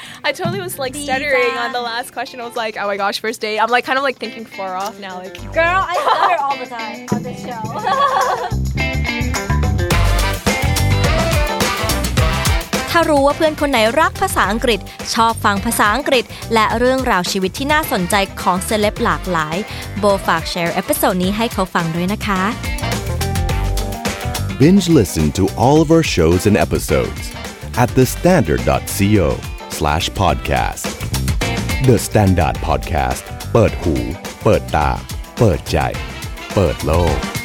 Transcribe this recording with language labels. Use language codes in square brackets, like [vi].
[en] I totally was like stuttering on the last question. I was like, oh my gosh, first date. I'm like kind of like thinking far off now. Like, girl, I stutter all the time on this show. [th] ถ้ารู้ว่าเพื่อนคนไหนรักภาษาอังกฤษชอบฟังภาษาอังกฤษและเรื่องราวชีวิตที่น่าสนใจของเซเลบหลากหลายโบฝากแชร์เอพิโซดนี้ให้เขาฟังด้วยนะคะ [en] Binge listen to all of our shows and episodes at thestandard.co/podcast The Standard Podcast [th] เปิดหูเปิดตาเปิดใจเปิดโลก